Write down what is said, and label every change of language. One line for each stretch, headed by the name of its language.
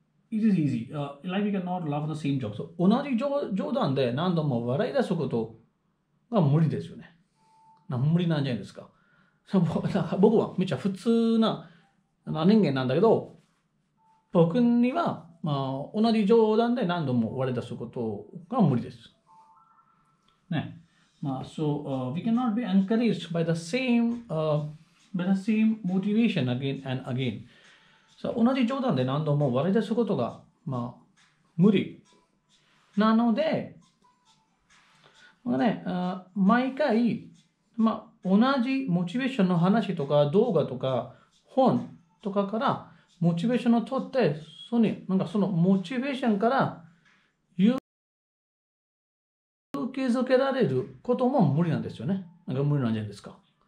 English: It is easy. Like, we cannot laugh on the same joke.
Japanese: So, 同じ冗談で何度も笑い出すことが無理ですよね。無理なんじゃないですか。僕はめっちゃ普通な人間なんだけど、僕には、まあ、同じ冗談で何度も笑い出すことが無理です。ね。
English: We cannot be encouraged by the same motivation again and again.
Japanese: So, 同じ冗談で何度も笑い出すことが、まあ、無理。なので、まあね、毎回、まあ、同じモチベーションの話とか動画とか本とかからモチベーションを取って、そのモチベーションから勇気づけられることも無理なんですよね。なんか無理なんじゃないですか。